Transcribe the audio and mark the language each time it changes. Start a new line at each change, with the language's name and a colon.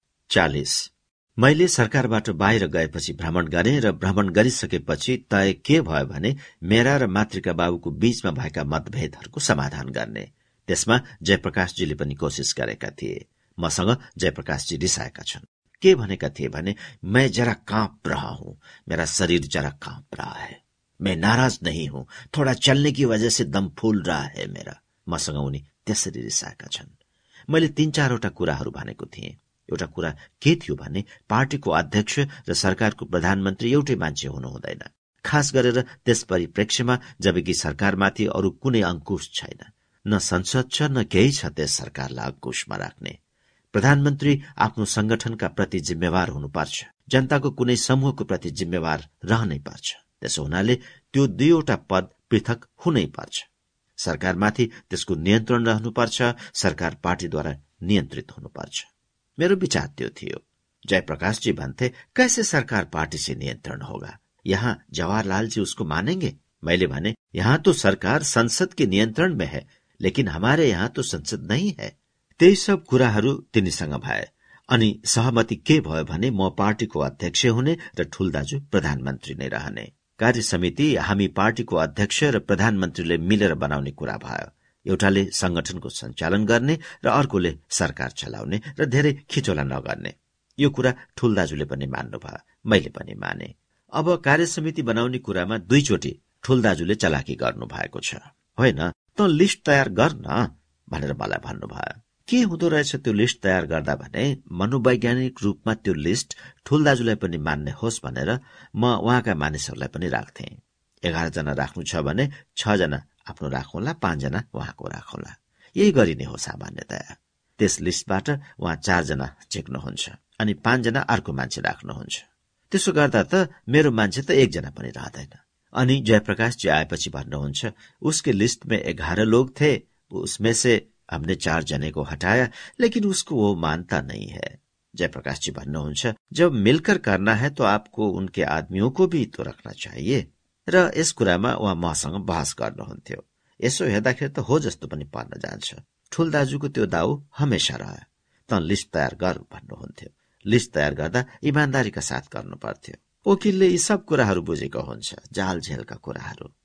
Nepali: 40. मैले सरकारबाट बाहिर गएपछि भ्रमण गरे र भ्रमण गरिसकेपछि तय के भयो भने मेरा र मातृका बाबुको बीचमा भएका मतभेदहरूको समाधान गर्ने। त्यसमा जयप्रकाशजीले पनि कोसिस गरेका थिए। मसँग जयप्रकाशजी रिसाएका छन्। के भनेका थिए भने
Hindi: मैं जरा काँप रहा हूं, मेरा शरीर जरा काँप रहा है, मैं नाराज नहीं हूं, थोड़ा चलने की वजह से दम फूल रहा है मेरा।
Nepali: मसँग उनी त्यसरी रिसाएका छन्। मैले तीन चारवटा कुराहरू भनेको थिएँ। एउटा कुरा के थियो भने पार्टीको अध्यक्ष र सरकारको प्रधानमन्त्री एउटै मान्छे हुनुहुँदैन, खास गरेर त्यस परिप्रेक्ष्यमा जबकि सरकारमाथि अरू कुनै अङ्कुश छैन, न संसद छ न केही छ त्यस सरकारलाई अङ्कुशमा राख्ने। प्रधानमन्त्री आफ्नो संगठनका प्रति जिम्मेवार हुनुपर्छ, जनताको कुनै समूहको प्रति जिम्मेवार रहनै पर्छ, त्यसो हुनाले त्यो दुईवटा पद पृथक हुनै पर्छ। सरकारमाथि त्यसको नियन्त्रण रहनुपर्छ, सरकार पार्टीद्वारा नियन्त्रित हुनुपर्छ। मेरो विचार त्यो थियो।
Hindi: जयप्रकाशजी
Nepali: भन्थे
Hindi: कैसे सरकार पार्टी से नियन्त्रण होगा, यहाँ जवाहरलाल जी उसको मानेंगे।
Nepali: मैले भने
Hindi: यहाँ तो सरकार संसद के नियन्त्रण में है, लेकिन हमारे यहाँ तो संसद नहीं है।
Nepali: त्यही सब कुराहरू तिनीसँग भए अनि सहमति के भयो भने म पार्टीको अध्यक्ष हुने र ठूल दाजु प्रधानमन्त्री नै रहने। कार्य समिति हामी पार्टीको अध्यक्ष र प्रधानमन्त्रीले मिलेर बनाउने कुरा भयो। एउटाले संगठनको सञ्चालन गर्ने र अर्कोले सरकार चलाउने र धेरै खिचोला नगर्ने। यो कुरा ठूल दाजुले पनि मान्नुभयो, मैले पनि माने। अब कार्य समिति बनाउने कुरामा दुईचोटि ठूल दाजुले चलाकी गर्नु भएको छ। होइन त लिस्ट तयार गर्न भनेर मलाई भन्नुभयो। के हुँदो रहेछ त्यो लिस्ट तयार गर्दा भने मनोवैज्ञानिक रूपमा त्यो लिस्ट ठूल दाजुलाई पनि मान्ने होस् भनेर म उहाँका मानिसहरूलाई पनि राख्थे। 11 राख्नु छ भने 6 आफ्नो राखौँला, 5 उहाँको राखौँला, यही गरिने हो सामान्यतया। त्यस लिस्टबाट उहाँ 4 चेक्नुहुन्छ अनि 5 अर्को मान्छे राख्नुहुन्छ। त्यसो गर्दा त मेरो मान्छे त 1 पनि रहँदैन। अनि जयप्रकाशजी आएपछि भन्नुहुन्छ
Hindi: उसके लिस्टमा 11 लोग थे, उसमें से
Nepali: हामीले
Hindi: 4 को हटाया, लेकिन उसको वो मानता नहीं है।
Nepali: जयप्रकाशजी भन्नुहुन्छ
Hindi: जब मिलकर करना है तो आपको उनके आदमियों को भी तो रखना चाहिए।
Nepali: र यस कुरामा उहाँ मसँग बहस गर्नुहुन्थ्यो। यसो हेर्दाखेरि त हो जस्तो पनि पर्न जान्छ। ठूल दाजुको त्यो दाउ हमेसा रह्यो, त लिस्ट तयार गर भन्नुहुन्थ्यो। लिस्ट तयार गर्दा इमान्दारीका साथ गर्नु पर्थ्यो। वकिलले यी सब कुराहरू बुझेको हुन्छ, जाल झेलका कुराहरू।